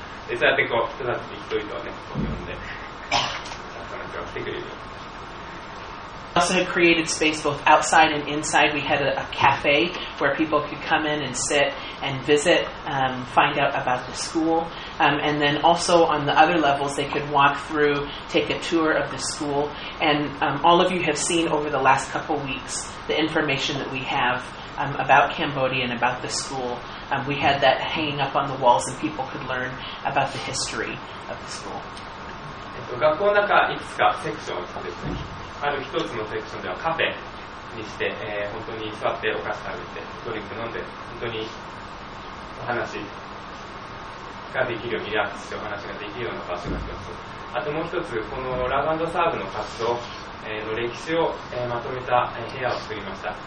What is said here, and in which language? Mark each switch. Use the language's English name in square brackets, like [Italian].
[Japanese] そうやって、人たち一人一人を呼んで、楽しく来てくれる。 [English] We also had created space both outside and inside. We had a cafe where people could come in and sit and visit,find out about the school. And then also on the other levels, they could walk through, take a tour of the school. And、all of you have seen over the last couple weeks the information that we have、about Cambodia and about the school.、we had that hanging up on the walls and people could learn about the history of the school. [Japanese] 学校の中はいくつかセクションですね。ある一つのセクションではカフェにして、本当に座ってお菓子食べてドリンク飲んで本当にお話ができるようにリラックスしてお話ができるような場所が一つ、あともう一つこのラブ&サーブの活動、の歴史を、まとめた、部屋を作りました。